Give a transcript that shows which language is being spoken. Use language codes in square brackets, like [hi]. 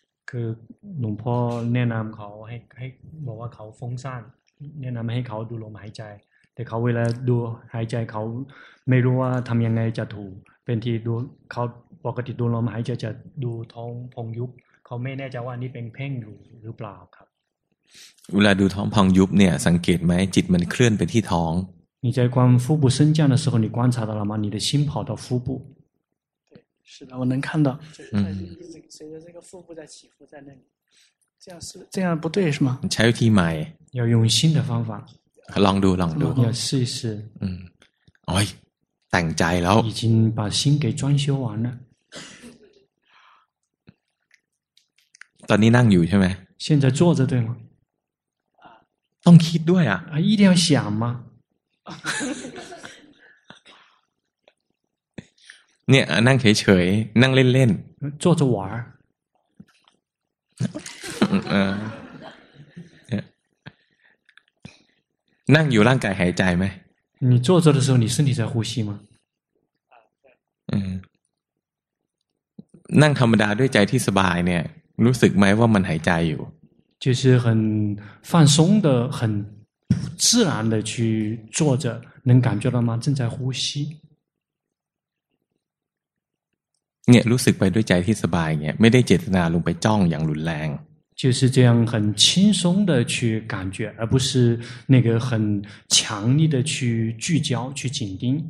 [th] 그龙波แนะนำเขาให้บอกว่าเขาฟุ้งซ่านแนะนำให้เขาดูลมหายใจแต่เขาเวลาดูหายใจเขาไม่รู้ว่าทำยังไงจะถูกเป็นที่ดูเขาปกติดูลมหายใจจะดูท้องพองยุบเขาไม่แน่ใจว่านี่เป็นเพ่งหรือเปล่าครับ เวลาดูท้องพองยุบเนี่ยสังเกตไหมจิตมันเคลื่อนไปที่ท้อง [zh] 你在观腹部升降的时候你观察到了吗你的心跑到腹部对是的我能看到就是随着这个腹部在起伏在那里这样不对是吗 [th] ใช้วิธีใหม่ [zh] 要用新的方法 [th] ลองดู อย่าซื่อสื่อโอ้ยแต่งใจแล้ว [zh] 已经把心给装修完了 [th] ตอนนี้นั่งอยู่ใช่ไหม [zh] 现在坐着对吗 [th] ต้องคิดด้วยอ่ะ [zh] 一定要想吗 [th] เนี่ยนั่งเฉยๆนั่งเล่น [zh] ๆ坐着玩 [th] นั่งอยู่ร่างกายหายใจไหม [zh] 你坐着的时候你身体在呼吸吗 [th] นั่งธรรมดาด้วยใจที่สบายเนี่ยรู้สึกไหมว่ามันหายใจอยู่ [zh] 就是很放松的很自然的去坐着能感觉到吗正在呼吸 [th] เนี่ยรู้สึกไปด้วยใจที่สบายเนี่ยไม่ได้เจตนาลงไปจ้องอย่างรุนแรง [zh] 就是这样很轻松的去感觉而不是那个很强力的去聚焦去紧盯